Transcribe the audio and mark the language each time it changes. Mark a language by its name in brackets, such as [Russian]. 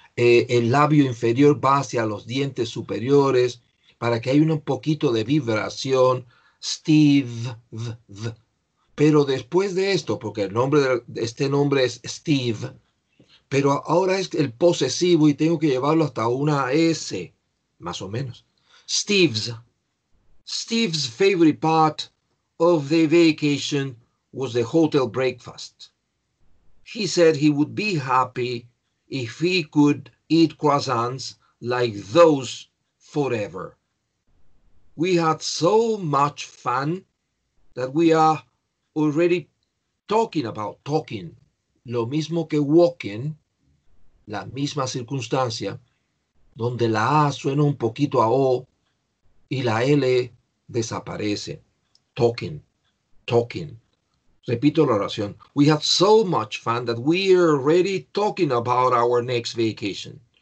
[Spanish] El labio inferior va hacia los dientes superiores para que haya un poquito de vibración. Steve. Pero después de esto, porque el nombre de este nombre es Steve, pero ahora es el posesivo y tengo que llevarlo hasta una S, más o menos. [English] Steve's favorite part of the vacation was the hotel breakfast. He said he would be happy if he could eat croissants like those forever. We had so much fun that we are already talking about talking. [Spanish] Lo mismo que walking, la misma circunstancia, donde la A suena un poquito a O y la L desaparece. Talking. Repito la oración. [English] We had so much fun that we are already talking about our next vacation.